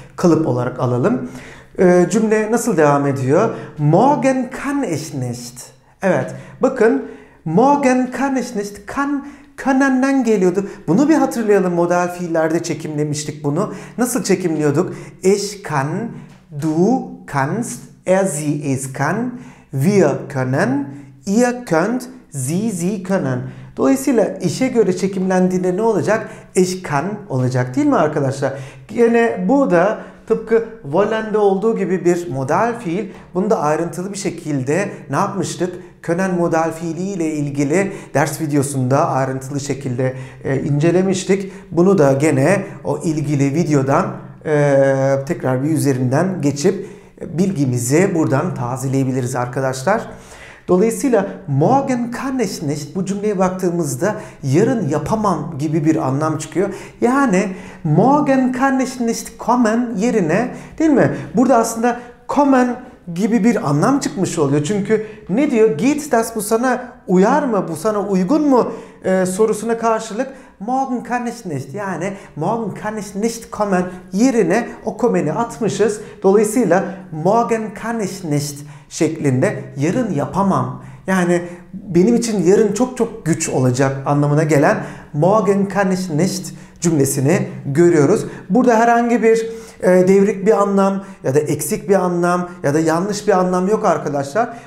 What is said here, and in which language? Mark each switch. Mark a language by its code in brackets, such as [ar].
[tr] Kalıp olarak alalım. Cümle nasıl devam ediyor? [de] Morgen kann ich nicht. [tr] Evet, bakın. [de] Morgen kann ich nicht. [tr] Kann, können'den geliyordu. Bunu bir hatırlayalım. Modal fiillerde çekimlemiştik bunu. Nasıl çekimliyorduk? [de] Ich kann, du kannst, er, sie, es kann, wir können, ihr könnt, Sie können. [tr] Dolayısıyla işe göre çekimlendiğinde ne olacak? Eşkan olacak değil mi arkadaşlar? Yine bu da tıpkı volende olduğu gibi bir modal fiil. Bunu da ayrıntılı bir şekilde ne yapmıştık? Können modal fiili ile ilgili ders videosunda ayrıntılı şekilde incelemiştik. Bunu da gene o ilgili videodan tekrar bir üzerinden geçip bilgimizi buradan tazeleyebiliriz arkadaşlar. Dolayısıyla [de] morgen kann ich nicht, [tr] bu cümleye baktığımızda yarın yapamam gibi bir anlam çıkıyor. Yani [de] morgen kann ich nicht kommen [tr] yerine, değil mi? Burada aslında kommen gibi bir anlam çıkmış oluyor. Çünkü ne diyor? [de] Geht das, [tr] bu sana uyar mı? Bu sana uygun mu? Sorusuna karşılık [de] morgen kann ich nicht, [tr] yani [de] morgen kann ich nicht kommen [tr] yerine o kommen'i atmışız. Dolayısıyla [de] morgen kann ich nicht [tr] şeklinde yarın yapamam, yani benim için yarın çok çok güç olacak anlamına gelen morgen kann ich nicht cümlesini görüyoruz. Burada herhangi bir devrik bir anlam ya da eksik bir anlam ya da yanlış bir anlam yok arkadaşlar.